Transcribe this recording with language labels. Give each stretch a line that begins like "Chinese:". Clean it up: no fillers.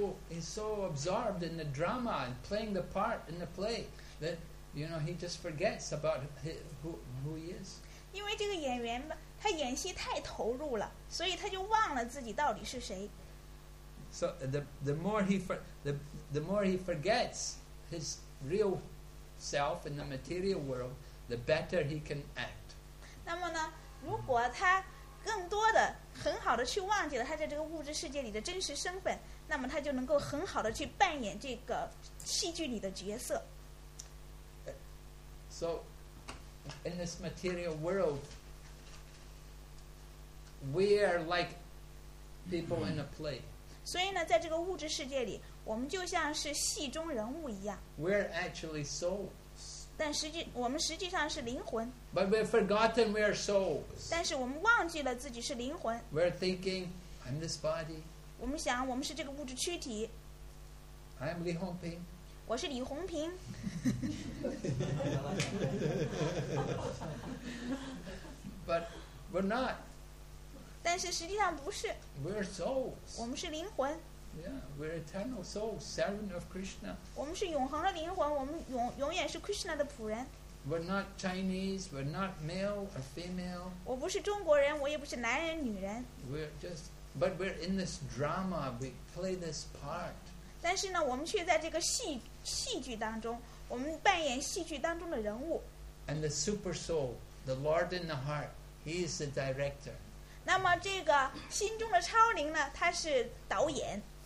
English: He's so absorbed in the drama and playing the part in the play that, you know, he just forgets about who he is.
Chinese: 因为这个演员他演戏太投入了，所以他就忘了自己到底是谁。
English: So the more he forgets his real self in the material world, the better he can act.
Chinese: 那么呢，如果他更多的很好的去忘记了他在这个物质世界里的真实身份，那么他就能够很好的去扮演这个戏剧里的角色。
English: So, in this material world, we are like people in a play.
Chinese: 所以呢，在这个物质世界里，我们就像是戏中人物一样。
English: We're actually soul.
Chinese: 但实际我们实际上是灵魂。
English: But we've forgotten we are souls.
Chinese: 但是我们忘记了自己是灵魂。
English: We're thinking I'm this body.
Chinese: 我们想我们是这个物质躯体。
English: I'm Li Hongping.
Chinese: 我是李红平。
English: But we're not.
Chinese: 但是实际上不是。
English: We're souls.
Chinese: 我们是灵魂。
English: Yeah, we're eternal souls, servant of Krishna.
Chinese: 我们是永恒的灵魂，我们永远是 Krishna 的仆人。
English: We're not Chinese, we're not male or female.
Chinese: 我不是中国人，我也不是男人女人。
English: But we're in this drama, we play this part.
Chinese: 但是呢，我们却在这个戏剧当中，我们扮演戏剧当中的人物。
English: And the super soul, the Lord in the heart, he is the director.
Chinese: 那么这个心中的超灵呢，他是导演。